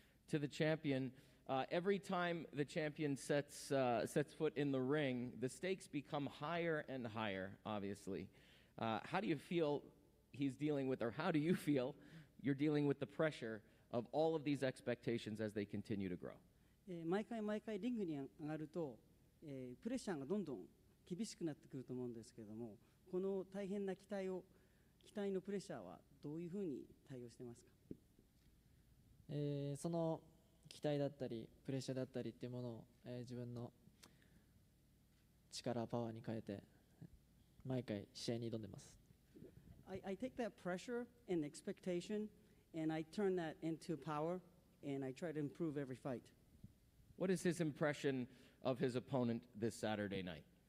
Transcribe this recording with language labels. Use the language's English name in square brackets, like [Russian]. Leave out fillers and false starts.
[English] To the champion, every time the champion sets foot in the ring, the stakes become higher and higher, obviously. How do you feel he's dealing with, or how do you feel you're dealing with the pressure of all of these expectations as they continue to grow? [Japanese] 毎回毎回リングに上がると、プレッシャーがどんどん厳しくなってくると思うんですけれども、この大変な期待のプレッシャーはどういうふうに対応してますか？その期待だったりプレッシャーだったりっていうものを、自分の力パワーに変えて毎回試合に挑んでます。 [English] I take that pressure and expectation and I turn that into power and I try to improve every fight. What is his impression of his opponent this Saturday night?